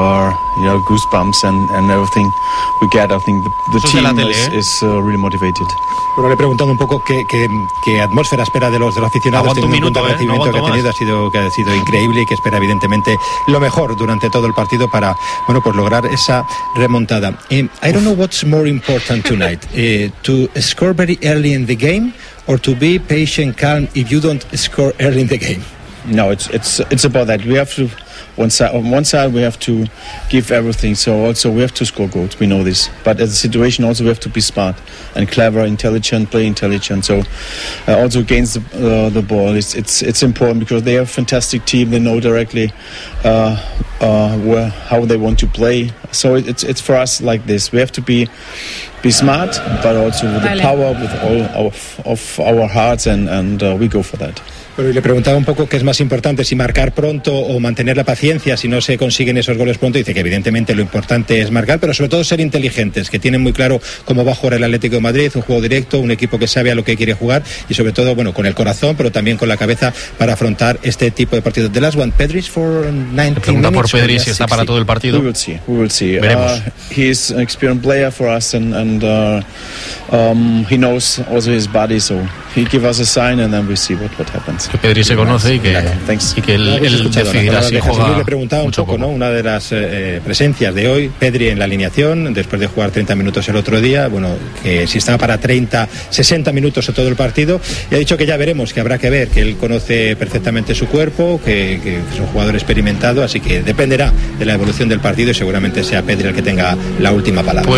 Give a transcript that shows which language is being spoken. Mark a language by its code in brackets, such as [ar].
[en] Goosebumps and everything we get. I think the team is really motivated. [es] Bueno, le he preguntado un poco qué atmósfera espera de los aficionados. Aguanto un minuto, teniendo un recibimiento que ha tenido, ha sido increíble, y que espera evidentemente lo mejor durante todo el partido para, bueno, pues lograr esa remontada. [en] I don't know what's more important tonight, to score very early in the game or to be patient, calm if you don't score early in the game. No, it's about that. We have to on one side we have to give everything. So also we have to score goals. We know this, but as a situation also we have to be smart and clever, intelligent, play intelligent. So also against the ball, it's important because they are a fantastic team. They know directly how they want to play. So it's for us like this. We have to be smart, but also with the power, with all of our hearts, and we go for that. [es] Pero le preguntaba un poco qué es más importante, si marcar pronto o mantener la paciencia si no se consiguen esos goles pronto. Dice que evidentemente lo importante es marcar, pero sobre todo ser inteligentes, que tienen muy claro cómo va a jugar el Atlético de Madrid, un juego directo, un equipo que sabe a lo que quiere jugar, y sobre todo, bueno, con el corazón, pero también con la cabeza para afrontar este tipo de partidos. [en] The last one, Pedri for 19 minutes. [es] Pregunta por Pedri si está para todo el partido. [en] We will see. [es] Veremos. [en] He's an experienced player for us and he knows also his body, so he give us a sign and then we see what happens. [es] Que Pedri se conoce y que él decidirá si juega. Le preguntaba un poco, ¿no? Una de las presencias de hoy, Pedri en la alineación, después de jugar 30 minutos el otro día, bueno, que si estaba para 30, 60 minutos o todo el partido, y ha dicho que ya veremos, que habrá que ver, que él conoce perfectamente su cuerpo, que es un jugador experimentado, así que dependerá de la evolución del partido y seguramente sea Pedri el que tenga la última palabra.